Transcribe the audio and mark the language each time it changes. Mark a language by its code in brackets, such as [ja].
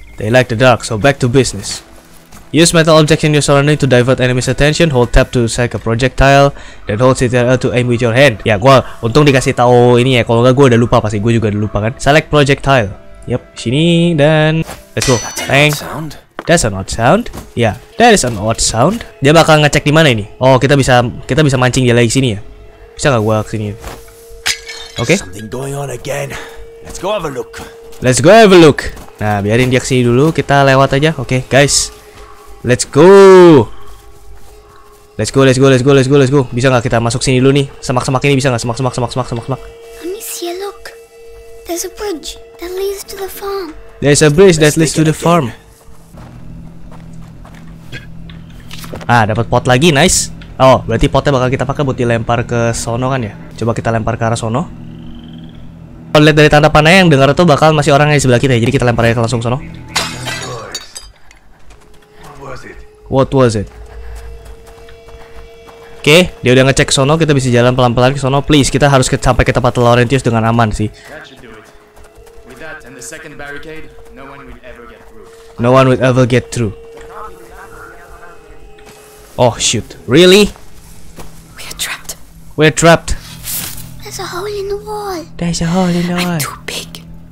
[en] They like the dark, so back to business. Use metal objects in your surrounding to divert enemy's attention. Hold tap to strike a projectile, then hold CTRL to aim with your hand. [id] Ya, gua untung dikasih tahu ini ya. Kalau enggak gua udah lupa, pasti gua juga udah lupa kan. [en] Select projectile. Yep, [id] sini dan [en] let's go. Bang. That's an odd sound. Ya, yeah, that is an odd sound. [id] Dia bakal ngecek di mana ini. Oh, kita bisa mancing dia lagi sini ya. Bisa enggak gua ke sini? Oke. [en] Something going on again. Let's go have a look. Let's go have a look. [id] Nah, biarin dia kesini dulu, kita lewat aja. Oke, guys. [en] Let's go. Let's go, let's go, let's go, let's go, let's go. [id] Bisa enggak kita masuk sini dulu nih? Semak-semak ini bisa enggak? Semak-semak. [en] Amicia, look. There's a bridge that leads to the farm. There's a bridge that leads to the farm. [id] Ah, dapat pot lagi, [en] nice. [id] Oh, berarti potnya bakal kita pakai buat dilempar ke sono kan ya? Coba kita lempar ke arah sono. Kalau lihat dari tanda panahnya yang dengar itu bakal masih orang yang di sebelah kita ya. Jadi kita lempar aja ke langsung sono. [en] What was it? [id] Oke, okay, dia udah ngecek ke sono, kita bisa jalan pelan-pelan ke sono. Please, kita harus sampai ke tempat Laurentius dengan aman sih. [en] With that and the second barricade, no one will ever get through. No one will ever get through. Oh shoot. Really? We're trapped. There's a hole in the wall. There's a hole in the wall. I'm too big.